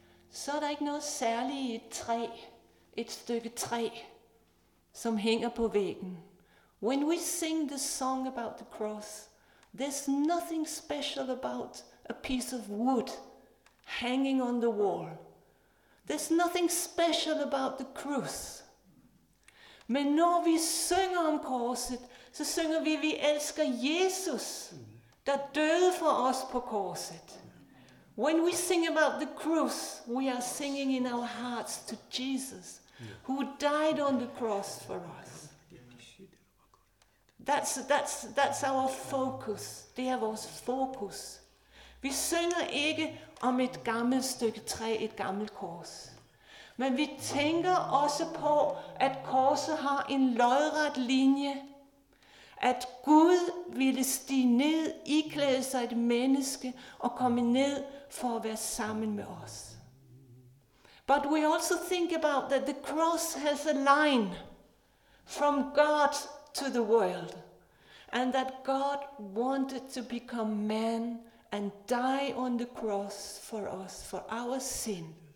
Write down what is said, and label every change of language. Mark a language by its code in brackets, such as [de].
[da] Så er der ikke noget særligt i et træ, et stykke træ, som hænger på væggen. [en] When we sing the song about the cross, there's nothing special about a piece of wood hanging on the wall. There's nothing special about the cross. [da] Men når vi synger om korset, så synger vi elsker Jesus, der døde for os på korset. [en] When we sing about the cross, we are singing in our hearts to Jesus, who died on the cross for us. That's our focus. [da] Det er vores fokus. Vi synger ikke om et gammelt stykke træ, et gammelt kors. Men vi tænker også på, at korset har en lodret linje. At Gud ville stige ned, iklæde sig et menneske og komme ned for at være sammen med os. [en] But we also think about that the cross has a line from God to the world. And that God wanted to become man and die on the cross for us, for our sin.